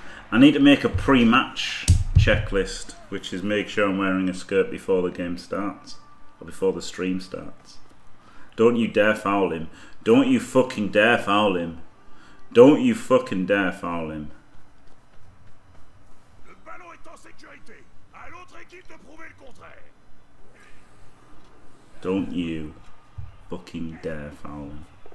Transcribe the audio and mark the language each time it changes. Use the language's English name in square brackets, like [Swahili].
[English] I need to make a pre-match checklist, which is make sure I'm wearing a skirt before the game starts. Or before the stream starts. Don't you dare foul him. Don't you fucking dare foul him. Don't you fucking dare foul him. [French] Le ballon est en sécurité. À l'autre équipe de prouver le contraire. [English] Don't you fucking dare foul him.